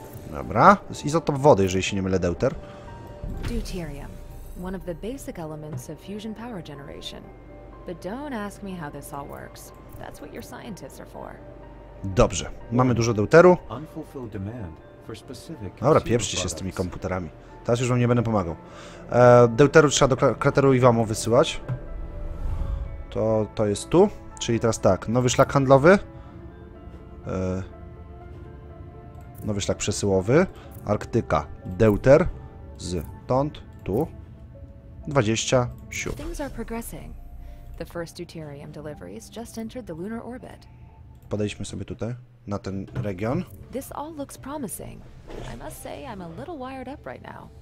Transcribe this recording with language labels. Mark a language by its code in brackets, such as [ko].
[pl] Dobra, jest izotop wody, jeżeli się nie mylę, deuter. [en] Deuterium. One of the basic elements of fusion power generation. But don't ask me how this all works. That's what your scientists are for. [pl] Dobrze, mamy dużo deuteru. Dobra, pieprzcie się z tymi komputerami. Teraz już wam nie będę pomagał. Deuteru trzeba do krateru Iwamo wysyłać. To jest tu. Czyli teraz tak, nowy szlak handlowy. Nowy szlak przesyłowy, Arktyka, deuter, stąd, tu, 27. [en] Things are progressing. The first deuterium delivery has just entered the lunar orbit. [pl] Podejdźmy sobie tutaj. na ten region. [en] This all looks promising. I must say I'm a little wired up right now.